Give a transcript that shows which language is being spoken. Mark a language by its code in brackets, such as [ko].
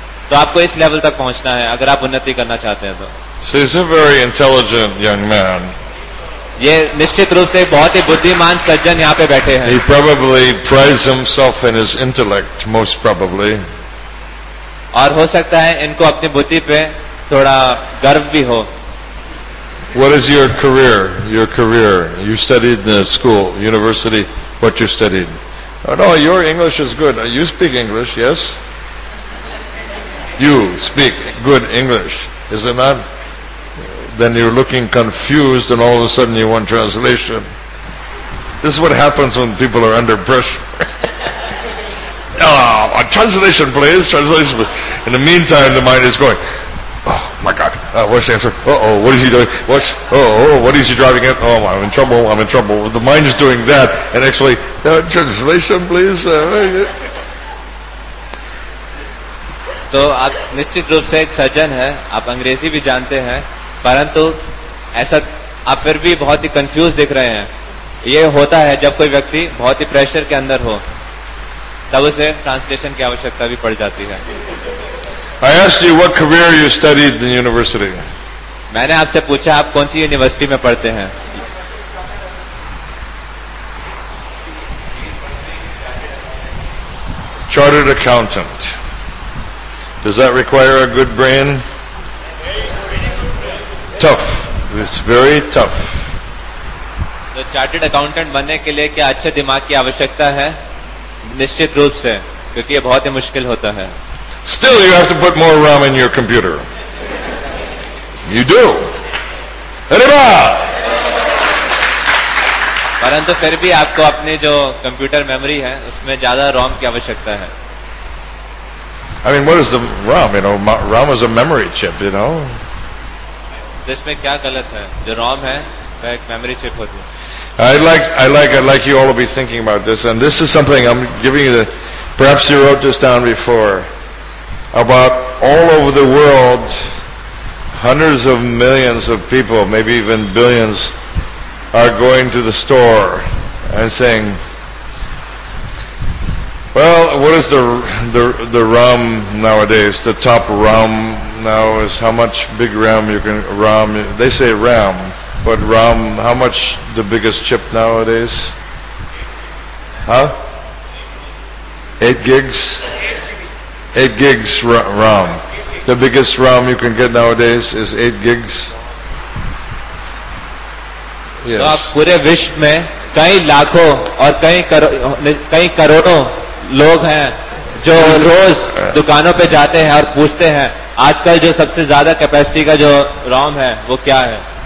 [hi] तो आपको इस लेवल तक पहुंचना है अगर आप उन्नति करना चाहते हैं तो. [en] So he's a very intelligent young man. [hi] ये निश्चित रूप से बहुत ही बुद्धिमान सज्जन यहाँ पे बैठे हैं. [en] He probably prides himself in his intellect, most probably. [hi] और हो सकता है इनको अपनी बुद्धि पे थोड़ा गर्व भी हो. [en] What is your career? Your career? You studied in the school, university. What you studied? Oh, no, your English is good. You speak English, yes? you speak good English, is it not? Then you're looking confused and all of a sudden you want translation. This is what happens when people are under pressure. Oh, translation please, translation please. In the meantime, the mind is going, oh my God, what's the answer? Uh-oh, what is he doing? What is he driving at? Oh, I'm in trouble. The mind is doing that, and actually, translation please. [hi] तो आप निश्चित रूप से एक सज्जन हैं, आप अंग्रेजी भी जानते हैं, परंतु ऐसा आप फिर भी बहुत ही कंफ्यूज दिख रहे हैं। ये होता है जब कोई व्यक्ति बहुत ही प्रेशर के अंदर हो, तब उसे ट्रांसलेशन की आवश्यकता भी पड़ जाती है। [en] I asked you what career you studied in university. [hi] मैंने आपसे पूछा आप कौन सी यूनिवर्सिटी में पढ़ते हैं। [en] Chartered accountant. Does that require a good brain? Tough. It's very tough. [hi] तो चार्टर्ड अकाउंटेंट बनने के लिए क्या अच्छे दिमाग की आवश्यकता है? निश्चित रूप से, क्योंकि ये बहुत ही मुश्किल होता है. [en] Still, you have to put more RAM in your computer. You do. Arriba! [hi] परंतु फिर भी आपको अपने जो कंप्यूटर मेमोरी है उसमें ज्यादा रोम की आवश्यकता है. [en] I mean, what is the ROM? You know, ROM is a memory chip, you know. [hi] This mein kya galat hai? Jo ROM hai, wo ek memory chip hoti hai. [en] I'd like you all to be thinking about this, and this is something I'm giving you. Perhaps you wrote this down before. About all over the world, hundreds of millions of people, maybe even billions, are going to the store and saying, well, what is the RAM nowadays? The top RAM now is how much big RAM you can RAM. They say RAM, but RAM. How much the biggest chip nowadays? Huh? 8 gigs. 8 gigs RAM. The biggest RAM you can get nowadays is 8 gigs. Yes. [hi] आप पूरे विश्व में कई लाखों और कई करोड़ों लोग हैं जो रोज दुकानों पे जाते हैं और पूछते हैं आजकल जो सबसे ज्यादा कैपेसिटी का जो रोम है वो क्या है.